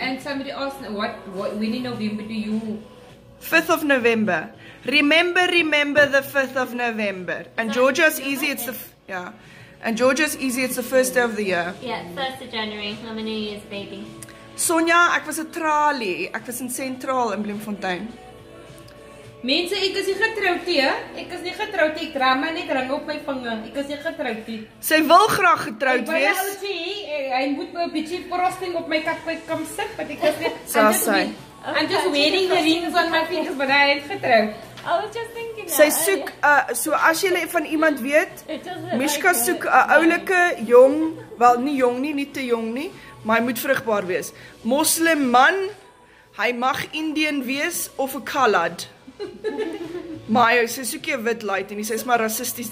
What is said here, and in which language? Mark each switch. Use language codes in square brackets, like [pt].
[en] And somebody asked, what, when in November do you? 5th of November. Remember the 5th of November. And so Georgia's easy, it's the, And Georgia's easy, it's the first day of the year. Yeah, 1st of January, I'm a New Year's baby. [af] Sonja, ek was 'n tralie. Ek was in Sentraal in Bloemfontein. Mense, ek is nie getroud nie. Ek is nie getroud nie. Ek dra my net ring op my vinger. Ek is nie getroud nie. Sy wil graag getroud wees. Ek wil net sê, hy moet my 'n bietjie frosting op my kat kom sit, want ek is net [en] I'm just wearing the rings on my fingers, but I ain't getroud. I was just thinking that. [af] Sy soek, so as jy van iemand weet, Mishka soek 'n oulike, jong, wel nie jong nie, nie te jong nie, maar hy moet vrugbaar wees. Moslem man, hy mag Indian wees of 'n colored. Maar jy sê soek jy 'n wit light en jy sê is maar racisties die